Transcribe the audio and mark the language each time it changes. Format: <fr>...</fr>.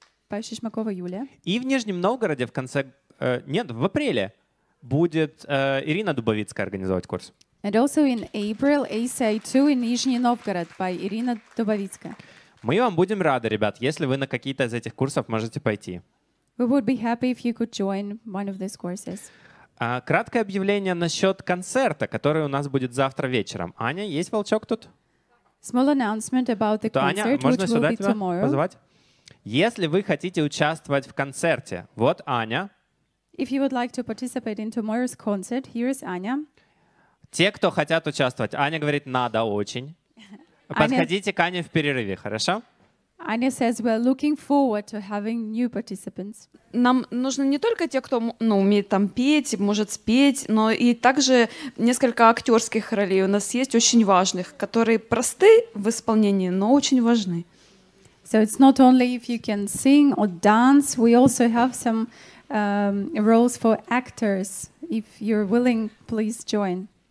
<en>By Шишмакова Юлия.</en> <ru>И в Нижнем Новгороде в конце... нет, в апреле будет Ирина Дубовицкая организовать курс.</ru> <en>And also in April, ACI 2 in Нижний Новгород by Ирина Дубовицкая.</en> <ru>Мы вам будем рады, ребят, если вы на какие-то из этих курсов можете пойти.</ru> <en>We would be happy if you could join one of these courses.</en> <ru>Краткое объявление насчет концерта, который у нас будет завтра вечером. Аня, есть волчок тут?</ru> <en>Small announcement about the concert, tomorrow. Аня,</en> <ru>можно сюда тебя позвать? Если вы хотите участвовать в концерте, вот Аня.</ru> <en>If you would like to participate in tomorrow's concert, here is Аня.</en> <ru>Те, кто хотят участвовать, Аня говорит, надо очень. Подходите к Ане в перерыве, хорошо?</ru> <en>Аня says we're looking forward to having new participants.</en> <ru>Нам нужны не только те, кто умеет там петь, может спеть, но и также несколько актерских ролей у нас есть, очень важных, которые просты в исполнении, но очень важны.</ru> <en>So it's not only if you can sing or dance, we also have some roles for actors. If you're willing, please join.</en>